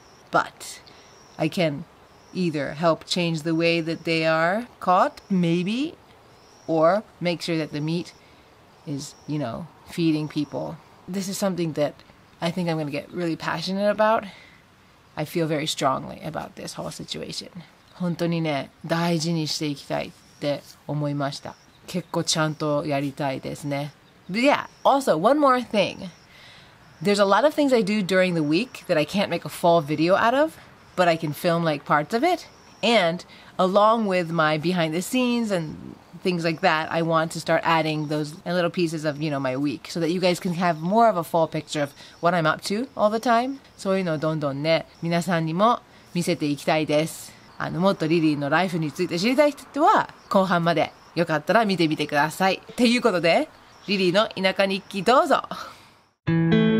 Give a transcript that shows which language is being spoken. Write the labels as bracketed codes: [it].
[en] But I can either help change the way that they are caught, maybe, or make sure that the meat is, you know,feeding people. This is something that I think I'm going to get really passionate about. I feel very strongly about this whole situation. [ja] 本当にね、大事にしていきたいって思いました。結構ちゃんとやりたいですね。 [en] But yeah, also one more thing. There's a lot of things I do during the week that I can't make a full video out of, but I can film like parts of it. And along with my behind the scenes andthings like that, I want to start adding those little pieces of, you know, my week so that you guys can have more of a full picture of what I'm up to all the time. [ja] そういうのをどんどんね、皆さんにも見せていきたいです。もっとリリーのライフについて知りたい人は、後半までよかったら見てみてください。ということで、リリーの田舎日記どうぞ。